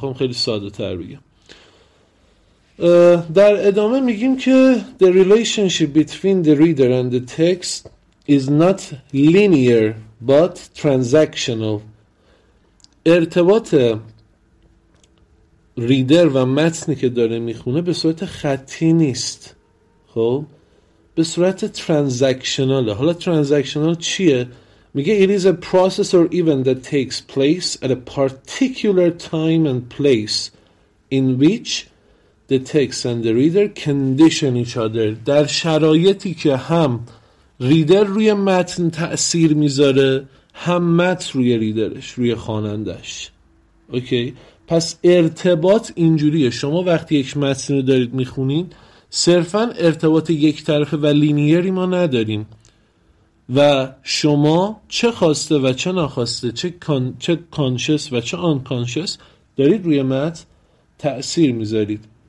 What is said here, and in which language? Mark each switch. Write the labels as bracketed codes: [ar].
[fa] بخوام خیلی ساده تر بگم، در ادامه میگیم که [en] The relationship between the reader and the text is not linear but transactional. [fa] ارتباط ریدر و متنی که داره میخونه به صورت خطی نیست، خب به صورت ترانزکشناله. حالا ترانزکشنال چیه؟ میگه [en] It is a process or event that takes place at a particular time and place in which the text and the reader condition each other. [fa] در شرایطی که هم ریدر روی متن تأثیر میذاره، هم متن روی ریدرش، روی خوانندش. اوکی؟ پس ارتباط اینجوریه، شما وقتی یک متن رو دارید میخونین صرفا ارتباط یک طرفه و لینیری ما نداریم، و شما چه خواسته و چه نخواسته، چه کانشس و چه آنکانشس دارید روی متن تأثیر میذارید.